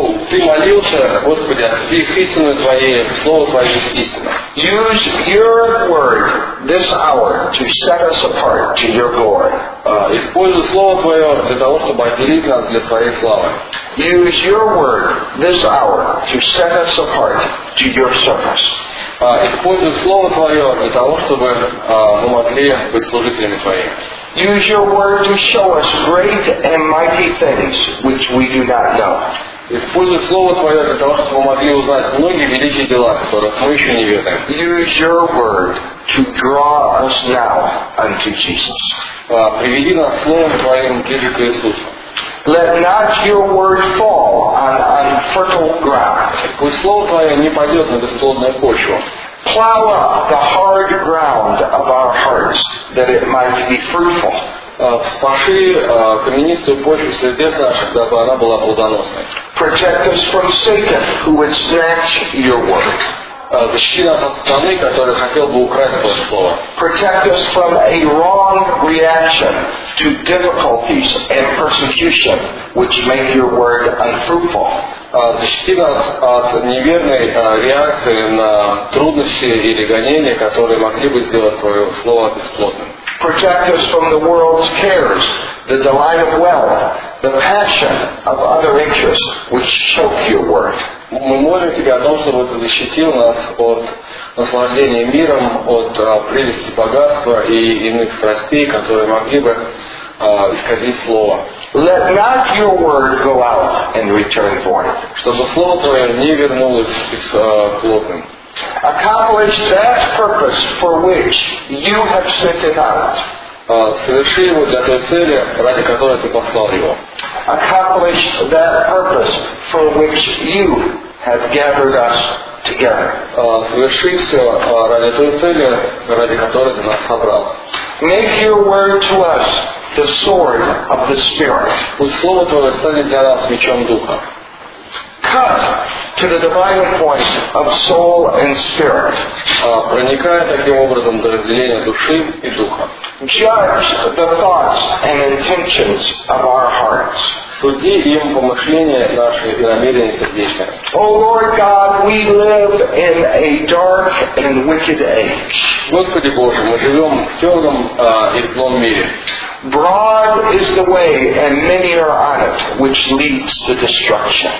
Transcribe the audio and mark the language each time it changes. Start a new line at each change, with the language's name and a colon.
Russian: Ты молился, Господи, освяти их истину Твоей, Слово Твое есть истина.
English: Use your word this hour to set us apart to your glory.
Russian: Используй Слово Твое для того, чтобы отделить нас для Своей славы.
English: Use your word this hour to set us apart to your service.
Russian: Используй Слово Твое для того, чтобы мы могли быть служителями Твоими.
English: Use your word to show us great and mighty things which we do not know.
Russian: Используй слово Твое для того, чтобы мы могли узнать многие великие дела, которых мы еще не ведаем.
English: Use your word to draw us now unto Jesus.
Russian: Приведи нас словом Твоим ближе к Иисусу.
English: Let not your word fall on unfertile ground.
Russian: Пусть слово Твое не падет на бесплодную почву.
English: Plow up the hard ground of our hearts, that it might be fruitful.
Russian: Вспаши каменистую почву сердец наших, дабы она была плодоносной.
English: Protect us from Satan, who would snatch your word.
Russian: Защити нас от сатаны, который хотел бы украсть Твое слово.
English: Protect us from a wrong reaction to difficulties and persecution, which make your word unfruitful.
Russian: Защити нас от неверной реакции на трудности или гонения, которые могли бы сделать Твое слово бесплодным.
English: Protect us from the world's cares, the delight of wealth, the passion of other interests, which choke your word.
Russian: Мы молим Тебя о том, чтобы Ты защитил нас от наслаждения миром, от прелести богатства и иных страстей, которые могли бы исказить Слово.
English: Let not your word go out and return void.
Russian: Чтобы Слово Твое не вернулось бесплодным.
English: Accomplish that purpose for which you have sent it out.
Russian: Соверши его для той цели, ради которой ты послал его.
English: Accomplish that purpose for which you have gathered us together.
Russian: Соверши все ради той цели, ради которой ты нас собрал.
English: Make your word to us the sword of the Spirit.
Russian: Пусть слово твое станет для нас мечом духа.
English: Cut to the divine point of soul and spirit.
Russian: Проникая таким образом до разделения души и духа.
English: Judge the thoughts and intentions of our hearts.
Russian: Суди им помышления наши и намерения сердечные.
English: O Lord God, we live in a dark and wicked age.
Russian: Господи Боже, мы живем в темном и злом мире.
English: Broad is the way, and many are on it, which leads to destruction.